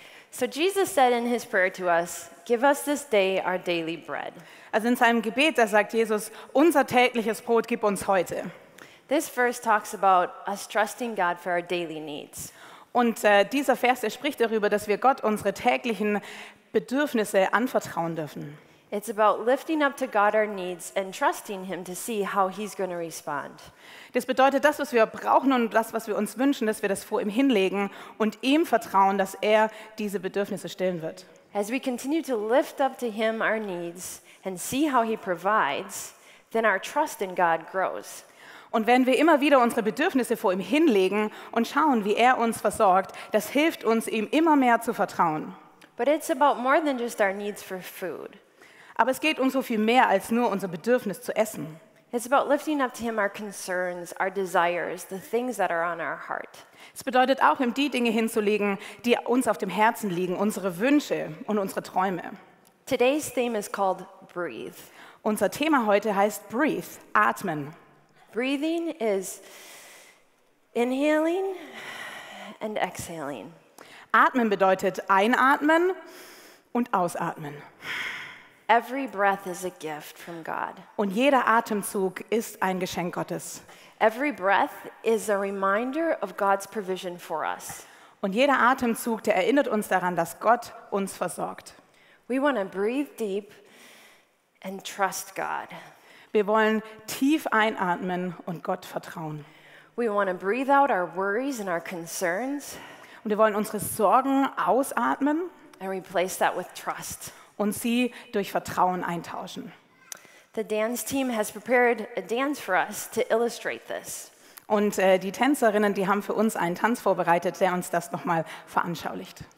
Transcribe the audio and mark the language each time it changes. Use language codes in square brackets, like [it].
[en] So Jesus said in his prayer to us, give us this day our daily bread. [de] Also in seinem Gebet, da sagt Jesus, unser tägliches Brot gib uns heute. [en] This verse talks about us trusting God for our daily needs. [de] Und dieser Vers, der spricht darüber, dass wir Gott unsere täglichen Bedürfnisse anvertrauen dürfen. [en] It's about lifting up to God our needs and trusting him to see how he's going to respond. [de] Das bedeutet, das, was wir brauchen und das, was wir uns wünschen, dass wir das vor ihm hinlegen und ihm vertrauen, dass er diese Bedürfnisse stillen wird. [en] As we continue to lift up to him our needs and see how he provides, then our trust in God grows. [de] Und wenn wir immer wieder unsere Bedürfnisse vor ihm hinlegen und schauen, wie er uns versorgt, das hilft uns, ihm immer mehr zu vertrauen. [en] But it's about more than just our needs for food. [de] Aber es geht um so viel mehr als nur unser Bedürfnis zu essen. [en] It's about lifting up to him our concerns, our desires, the things that are on our heart. [de] Es bedeutet auch, ihm die Dinge hinzulegen, die uns auf dem Herzen liegen, unsere Wünsche und unsere Träume. [en] Today's theme is called breathe. [de] Unser Thema heute heißt breathe, atmen. [en] Breathing is inhaling and exhaling. [de] Atmen bedeutet einatmen und ausatmen. [en] Every breath is a gift from God. [de] Und jeder Atemzug ist ein Geschenk Gottes. [en] Every breath is a reminder of God's provision for us. [de] Und jeder Atemzug, der erinnert uns daran, dass Gott uns versorgt. [en] We want to breathe deep and trust God. [de] Wir wollen tief einatmen und Gott vertrauen. [en] We want to breathe out our worries and our concerns. [de] Und wir wollen unsere Sorgen ausatmen. [en] And replace that with trust. [de] Und sie durch Vertrauen eintauschen. [en] The dance team has prepared a dance for us to illustrate this. [de] Und die Tänzerinnen, die haben für uns einen Tanz vorbereitet, der uns das nochmal veranschaulicht.